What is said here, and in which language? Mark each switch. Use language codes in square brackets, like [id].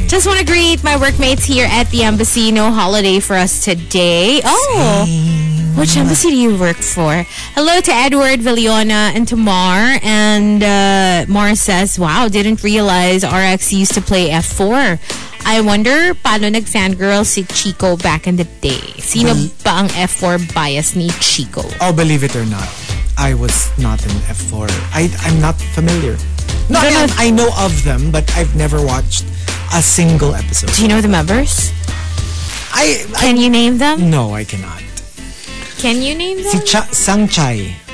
[en] Just want to greet my workmates here at the embassy. No holiday for us today. Oh! Which embassy do you work for? Hello to Edward, Villiona, and Tamar. And Mar says, wow, didn't realize RX used to play F4. I wonder, [tl] paano nag-fangirl si [en] Chico back in the day? [tl] Sino ba ang F4 bias ni Chico? [en] Oh, believe it or not, I was not in F4. I'm not familiar. I know of them, but I've never watched a single episode. Do you know the members? Can you name them? No, I cannot. Can you name them? [tl] Si Sanchai.